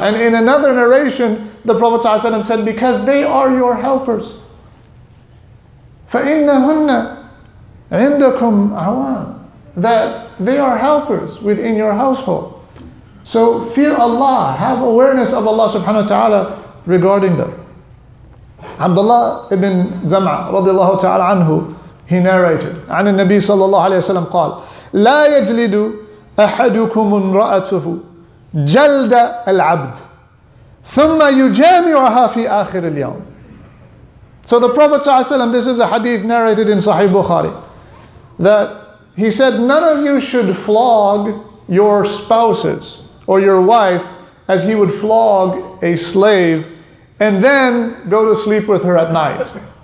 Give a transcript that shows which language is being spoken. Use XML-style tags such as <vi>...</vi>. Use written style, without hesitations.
<en>And in another narration, the Prophet sallallahu alaihi wasallam said, because they are your helpers.</en> <ar>فَإِنَّهُنَّ عِنْدَكُمْ عَوَانٍ.</ar> <en>That they are helpers within your household. So fear Allah, have awareness of Allah subhanahu wa ta'ala regarding them. Abdullah ibn Zam'a radiallahu ta'ala anhu, he narrated,</en> <ar>عن النبي صلى الله عليه وسلم قال, لا يجلد أحدكم امرأته جلد العبد ثم يجامعها في آخر اليوم.</ar> <en>So the Prophet</en> <ar>صلى الله عليه وسلم,</ar> <en>this is a hadith narrated in Sahih Bukhari, that he said, none of you should flog your spouses or your wife as he would flog a slave and then go to sleep with her at night.</en>